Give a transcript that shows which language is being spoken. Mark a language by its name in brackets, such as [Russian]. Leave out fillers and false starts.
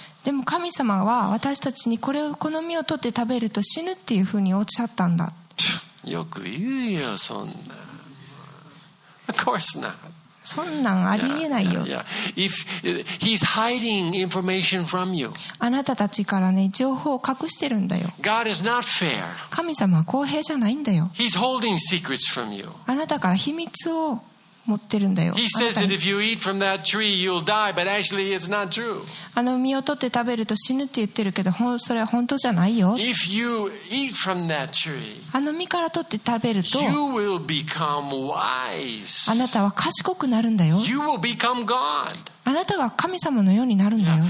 [Japanese] でも神様は私たちにこれをこの実を取って食べると死ぬっていうふうにおっしゃったんだ。よく言うよそんな。 [English] Of course not. [Japanese] そんなんありえないよ。 [English] If he's hiding information from you. [Japanese] あなたたちからね情報を隠してるんだよ。 [English] God is not fair. [Japanese] 神様は公平じゃないんだよ。 [English] He's holding secrets from you. [Japanese] あなたから秘密を持ってるんだよ。 [English] He says that if you eat from that tree, you'll die. But actually, it's not true. [Japanese] あの実を取って食べると死ぬって言ってるけど、それは本当じゃないよ。 [English] If you eat from that tree, [Japanese] あの実から取って食べると、 [English] you will become wise. [Japanese] あなたは賢くなるんだよ。 [English] You will become God. [Japanese] あなたが神様のようになるんだよ。